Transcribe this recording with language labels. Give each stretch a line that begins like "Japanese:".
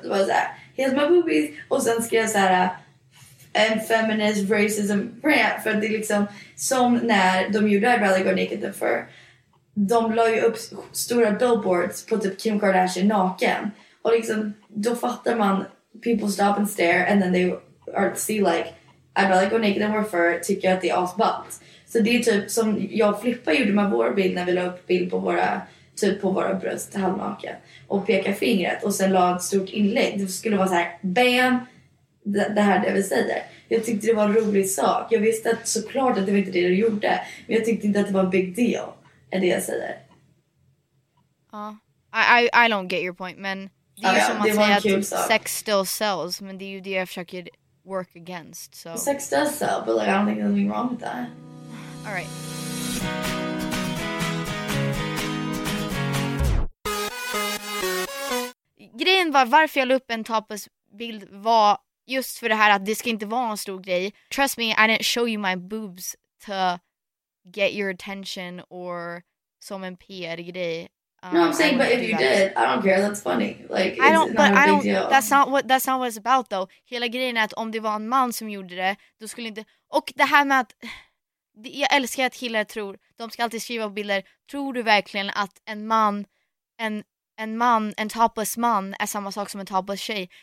Swedish: Det var såhär, helt med boobies. Och sen ska jag såhär en
English: feminist racism rant.
Swedish: För det är liksom som när de gjorde
English: I'd rather go naked than fur.
Swedish: De la ju upp stora billboards på typ Kim Kardashian naken. Och liksom då fattar man,
English: people stop and stare. And then they are see like I'd rather go naked than wear fur.
Swedish: Tycker jag att det är asbatt. Så det är typ som jag flippade gjorde med vår bild. När vi la upp bild på våra typ på våra bröst halvnaken och peka fingret och sen la ett stort inlägg. Det skulle vara så här bam, det här är det vi säger. Jag tyckte det var en rolig sak. Jag visste att såklart att det var inte det du gjorde, men jag tyckte inte att det var en
English: big deal
Swedish: är det jag säger.
English: I don't get your point,
Swedish: men det är som att säga att
English: sex still sells,
Swedish: men det är ju det jag försöker
English: work against. So sex does sell, but like I don't think there's anything wrong with that. All right.
Swedish: Grejen var varför jag la upp en tapasbild var just för det här att det ska inte vara en stor grej.
English: Trust me, I didn't show you my boobs to get your attention or
Swedish: som en PR-grej.
English: No, I'm saying, but if you did, I don't care. That's funny. Like, I don't, but I don't. That's not what it's about, though.
Swedish: Hela grejen är att om det var en man som gjorde det, då skulle inte. Och det här med att jag älskar att killar tror. De ska alltid skriva på bilder. Tror du verkligen att en man, en topless man är samma sak som en topless tjej?